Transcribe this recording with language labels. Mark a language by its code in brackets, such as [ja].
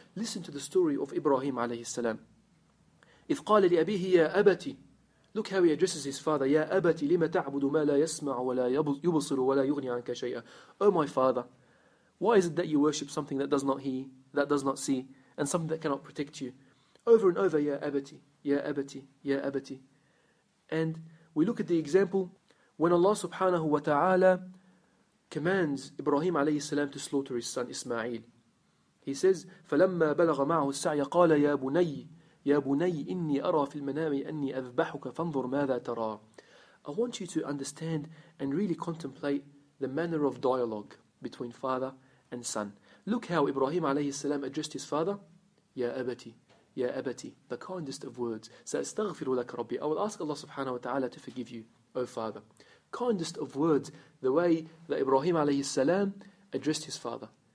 [en] Listen to the story of Ibrahim alayhi salam. [ar] إِذْ قَالَ لِأَبِيهِ يَا أَبَتِي. [en] Look how he addresses his father. [ar] يَا أَبَتِي لِمَ تَعْبُدُ مَا لَا يَسْمَعُ وَلَا يُبْصِرُ وَلَا يُغْنِي عَنْكَ شَيْئًا. [en] Oh my father, why is it that you worship something that does not hear, that does not see, and something that cannot protect you? Over and over, [ar] يَا أَبَتِي, يَا أَبَتِي, يَا أَبَتِي. [en] And we look at the example when Allah subhanahu wa ta'ala commands Ibrahim alayhi salam to slaughter his son Ismail. He says, [ar] فَلَمَّا بَلَغَ مَعَهُ السَّعْيَ قَالَ يَا بُنَيِّ يا بني إني أرى في المنام أني أذبحك فانظر ماذا ترى. [en] I want you to understand and really contemplate the manner of dialogue between father and son. Look how Ibrahim عليه السلام addressed his father. [ar] يا أبتي, يا أبتي, [en] the kindest of words. [ar] سأستغفر لك ربي. [en] I will ask Allah سبحانه وتعالى to forgive you, O father. Kindest of words, the way that Ibrahim عليه السلام addressed his father.